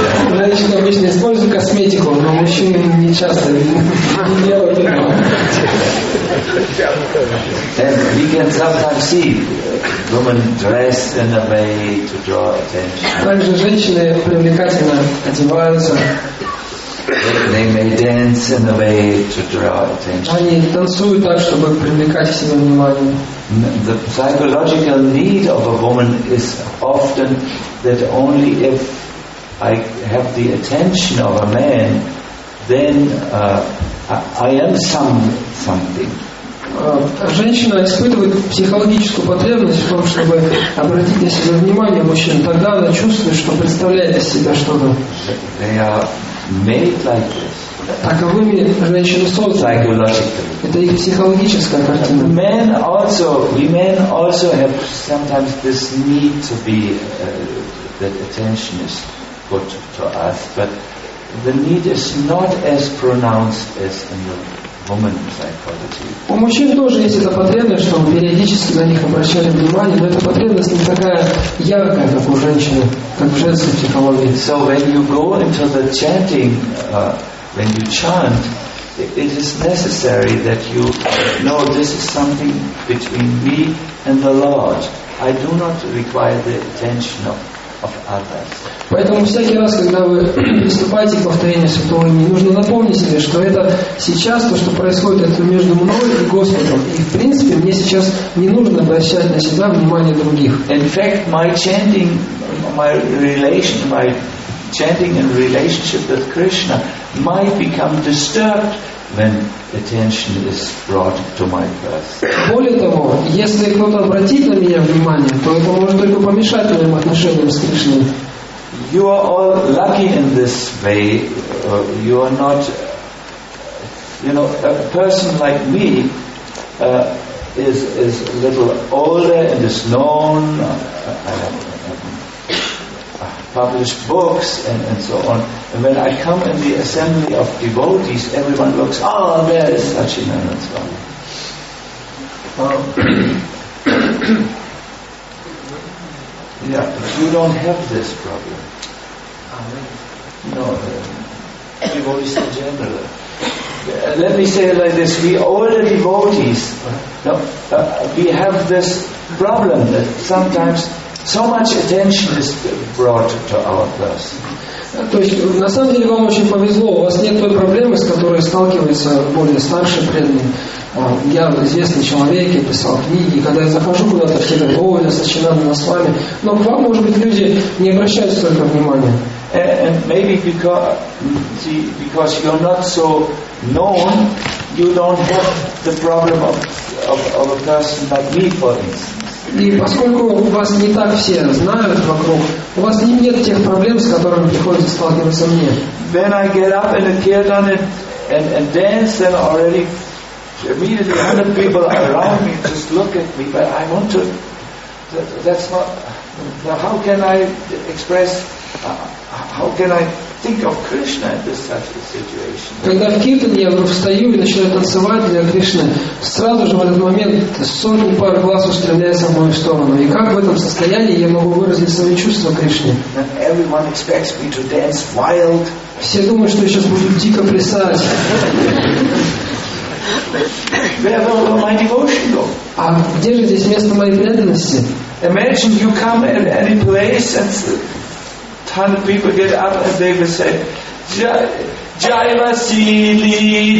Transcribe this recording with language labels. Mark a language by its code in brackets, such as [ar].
[ru] Женщины обычно используют косметику, но мужчины не часто делают. [en] And we can sometimes see women dressed in a way to draw attention. [ru] Также женщины привлекательно одеваются. [en] They may dance in a way to draw attention. [ru] Они танцуют так, чтобы привлекать к себе внимание. [en] The psychological need of a woman is often that only if I have the attention of a man, then I am something. [ru] Женщина испытывает психологическую потребность в том, чтобы обратить на себя внимание мужчин. Тогда она чувствует, что представляет из себя что-то. [en] They are made like this. [ru] Таковыми женщины созданы. Это их психологическая картина. [en] Men also, we men also have sometimes this need to be that attention is put to us, but the need is not as pronounced as in the woman psychology. [ru] У мужчин тоже есть эта потребность, чтобы периодически на них обращали внимание, но эта потребность не такая яркая, как у женщины, как в женской психологии. [en] So when you go into the chanting, when you chant, it is necessary that you know this is something between me and the Lord. I do not require the attention of others. [ru] Поэтому всякий раз, когда вы приступаете к повторению святого имени, нужно напомнить себе, что это сейчас то, что происходит, это между мной и Господом. И в принципе мне сейчас не нужно обращать на себя внимание других. [en] In fact, my chanting, my relation, my chanting and relationship with Krishna might become disturbed when attention is brought to my person. [ru] Более того, если кто-то обратит на меня внимание, то это может только помешать моим отношениям с Кришной. [en] You are all lucky in this way. You are not, you know, a person like me is a little older and is known. Published books and so on. And when I come in the assembly of devotees, everyone looks, oh, there is Sachinanda Swami. Yeah, you don't have this problem. No, devotees in general. Let me say it like this, we older devotees, no, we have this problem that sometimes so much attention is brought to our person. [ru] То есть на самом деле вам очень повезло. У вас нет той проблемы, с которой сталкиваются более старшие преданные. Я известный человек, я писал книги, и когда я захожу куда-то, все говорят, о, я начинаю на славе. Но к вам, может быть, люди не обращают столько внимания. [en] And maybe because you're not so known, you don't have the problem of a person like me, for instance. [ru] И поскольку вас не так все знают вокруг, у вас нет тех проблем, с которыми приходится сталкиваться мне. [en] When I get up in the kirtan and dance, then already immediately 100 people around me just look at me, but I want to. That's not. Now how can I express? How can I think of Krishna in this such a situation? [ru] Когда в киртане я встаю и начинаю танцевать для Кришны, сразу же в этот момент сотни пар глаз устремляются в мою сторону. И как в этом состоянии я могу выразить свои чувства Кришне? [en] Everyone expects me to dance wild. [ru] Все думают, что я сейчас буду дико плясать. [en] Where will my devotion go? [ru] А где же здесь место моей преданности? [en] Imagine you come in any place and 100 people get up and they will say, Jai Vasili, Jai Vasili,